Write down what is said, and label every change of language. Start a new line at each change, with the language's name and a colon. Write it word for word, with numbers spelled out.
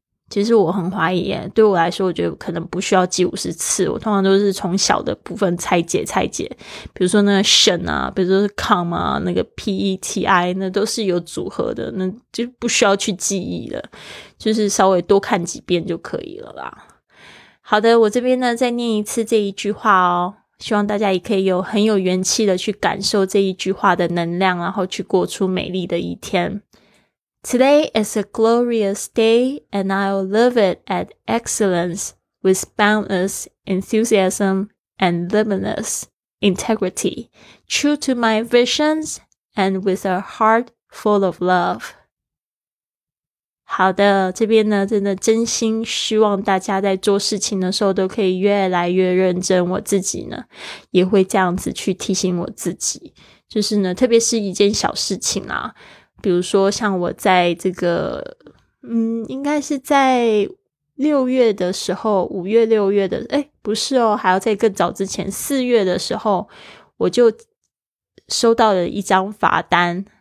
Chinese: 其实我很怀疑耶，对我来说我觉得可能不需要记五十次，我通常都是从小的部分拆解拆解，比如说那个 shen 啊，比如说是 com 啊，那个 peti 那都是有组合的，那就不需要去记忆了，就是稍微多看几遍就可以了啦。好的，我这边呢再念一次这一句话哦，希望大家也可以有很有元气的去感受这一句话的能量，然后去过出美丽的一天。
English: Today is a glorious day, and I'll live it at excellence with boundless enthusiasm and limitless integrity, true to my visions and with a heart full of love.
Chinese: 好的，这边呢，真的真心希望大家在做事情的时候都可以越来越认真。我自己呢，也会这样子去提醒我自己，就是呢，特别是一件小事情啦。比如说像我在这个嗯应该是在六月的时候五月六月的诶不是哦还要在更早之前四月的时候，我就收到了一张罚单。